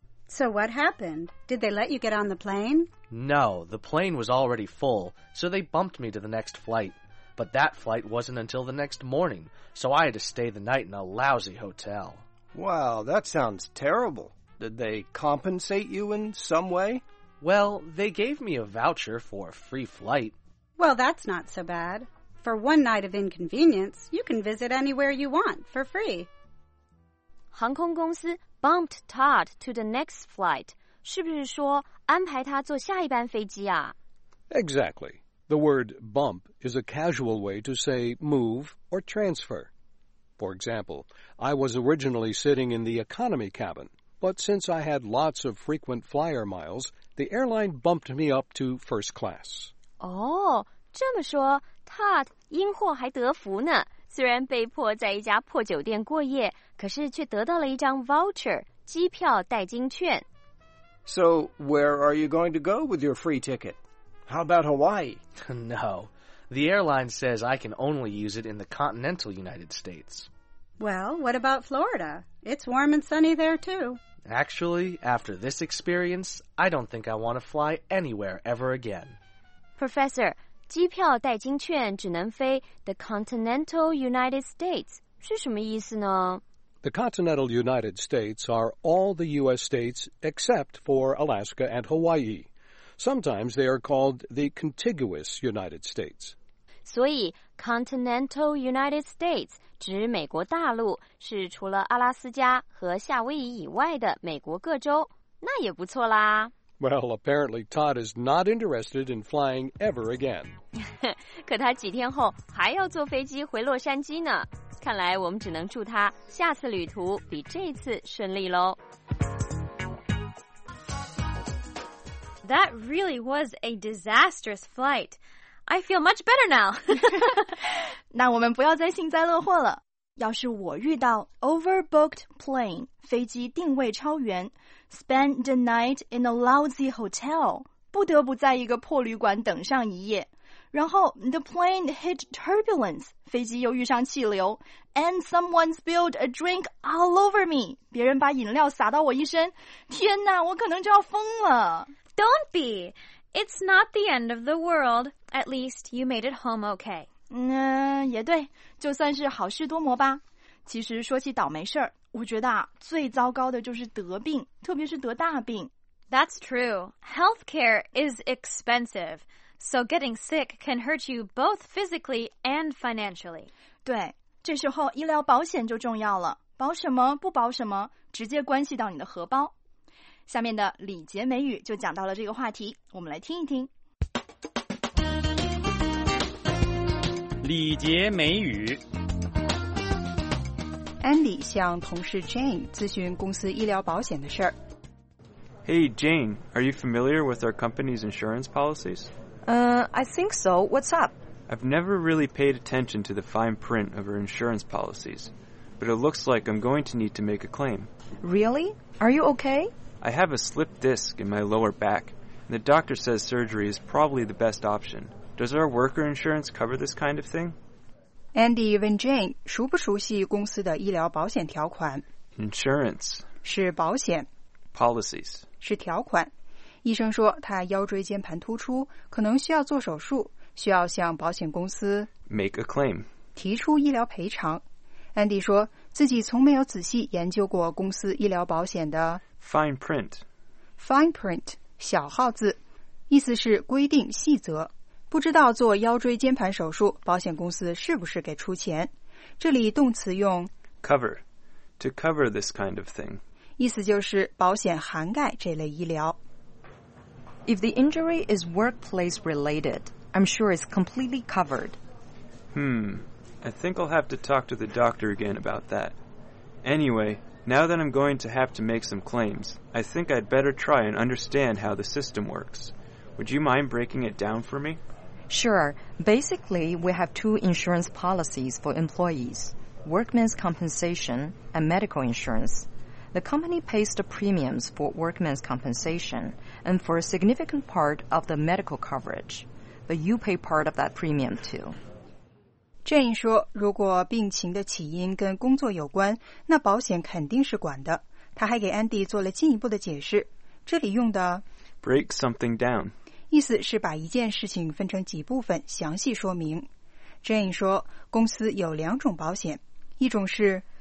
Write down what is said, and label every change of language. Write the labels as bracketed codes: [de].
[en] So what happened? Did they let you get on the plane? No, the plane was already full, so they bumped me to the next flight. But that flight wasn't until the next morning, so I had to stay the night in a lousy hotel. Wow, that sounds terrible. Did they compensate you in some way? Well, they gave me a voucher for a free flight. Well, that's not so bad. For one night of inconvenience, you can visit anywhere you want for free. [zh] 航空公司 [en] bumped Todd to the next flight. [zh] 是不是说安排他坐下一班飞机啊? [en] Exactly. The word bump is a casual way to say move or transfer. For example, I was originally sitting in the economy cabin, but since I had lots of frequent flyer miles, the airline bumped me up to first class. [zh] Oh, 这么说 Todd 因祸还得福呢。虽然被迫在一家破酒店过夜，可是却得到了一张 voucher 机票代金券。 [en] So, where are you going to go with your free ticket? How about Hawaii? No, the airline says I can only use it in the continental United States. Well, what about Florida? It's warm and sunny there too. Actually, after this experience, I don't think I want to fly anywhere ever again. [zh] Professor,机票代金券只能飞 [en] the continental United States [zh] 是什么意思呢? [en] The continental United States are all the U.S. states except for Alaska and Hawaii. Sometimes they are called the contiguous United States. [zh] 所以 [en] continental United States [zh] 指美国大陆是除了阿拉斯加和夏威夷以外的美国各州，那也不错啦。 [en] Well, apparently Todd is not interested in flying ever again. [zh] 可他几天后还要坐飞机回洛杉矶呢。看来我们只能祝他下次旅途比这次顺利咯。 [en] That really was a disastrous flight. I feel much better now. [zh] 那我们不要再幸灾乐祸了。要是我遇到 [en] overbooked plane, [zh] 飞机定位超员， [en] Spend the night in a lousy hotel. [zh] 不得不在一个破旅馆等上一夜。然后 [en] the plane hit turbulence. [zh] 飞机又遇上气流。 [en] And someone spilled a drink all over me. [zh] 别人把饮料洒到我一身。天哪，我可能就要疯了。 [en] Don't be. It's not the end of the world. At least you made it home okay. [zh] 也对，就算是好事多磨吧。其实说起倒霉事儿，我觉得啊，最糟糕的就是得病，特别是得大病。 [en] That's true. Healthcare is expensive. So getting sick can hurt you both physically and financially. [zh] 对，这时候医疗保险就重要了。保什么，不保什么，直接关系到你的荷包。下面的李杰美语就讲到了这个话题，我们来听一听。李杰美语。 Andy 向同事 Jane 咨询公司医疗保险的事儿。 [en] Hey, Jane, are you familiar with our company's insurance policies? I think so. What's up? I've never really paid attention to the fine print of our insurance policies, but it looks like I'm going to need to make a claim. Really? Are you okay? I have a slipped disc in my lower back, and the doctor says surgery is probably the best option. Does our worker insurance cover this kind of thing? [zh] Andy 问 Jane 熟不熟悉公司的医疗保险条款 [en] Insurance [zh] 是保险 [en] Policies [zh] 是条款医生说他腰椎间盘突出可能需要做手术需要向保险公司 [en] Make a claim [zh] 提出医疗赔偿 Andy 说自己从没有仔细研究过公司医疗保险的 [en] Fine print [zh] 小号字意思是规定细则不知道做腰椎间盘手术保险公司是不是给出钱这里动词用 [en] cover to cover this kind of thing [zh] 意思就是保险涵盖这类医疗 [en] If the injury is workplace related I'm sure it's completely covered I think I'll have to talk to the doctor again about that Anyway, now that I'm going to have to make some claims I think I'd better try and understand how the system worksWould you mind breaking it down for me? Sure. Basically, we have two insurance policies for employees, workmen's compensation and medical insurance. The company pays the premiums for workmen's compensation and for a significant part of the medical coverage. But you pay part of that premium too. [zh] Jane 说如果病情的起因跟工作有关那保险肯定是管的他还给 Andy 做了进一步的解释。这里用的 [en] break something down [zh] 意思是把一件事情分成几部分详细说明。 Jane 说公司有两种保险，一种是